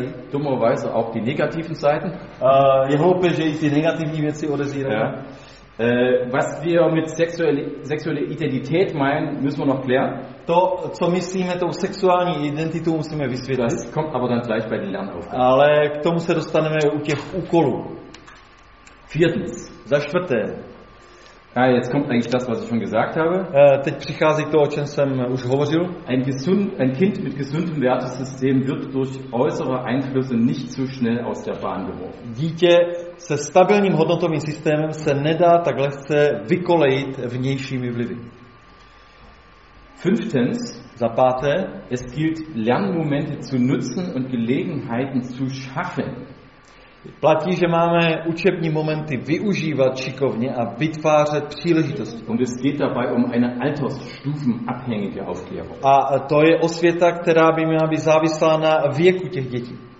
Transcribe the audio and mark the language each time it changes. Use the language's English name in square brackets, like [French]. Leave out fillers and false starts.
[German] Dummerweise auch die negativen Seiten. [Czech] Je hloupé, že i ty negativní věci odezírají. [German] Ja. Was wir mit sexuelle Identität meinen, müssen wir noch klären. [Czech] To, co myslíme tou sexuální identitou, musíme vysvětlit. [German] Das kommt aber dann gleich bei den Lernaufgaben. [Czech] Ale k tomu se dostaneme u těch úkolů. [German] Viertens. [Czech] Za čtvrté. [German] Ja, jetzt kommt eigentlich das, was ich schon gesagt habe. [Czech] Teď přichází to, o čem jsem už hovořil. [German] Ein Kind mit gesundem Wertesystem wird durch äußere Einflüsse nicht zu schnell aus der Bahn geworfen. [Czech] Dítě se stabilním hodnotovým systémem se nedá tak lehce vykolejit vnějšími vlivy. [German] Fünftens, [Czech] za páté, [German] es gilt Lernmomente zu nutzen und Gelegenheiten zu schaffen. [Czech] Platí, že máme učební momenty využívat šikovně a vytvářet příležitosti. [German] Und es geht dabei um eine altersstufenabhängige Aufklärung. [Czech] A to je osvěta, která by měla být závislá na věku těch dětí.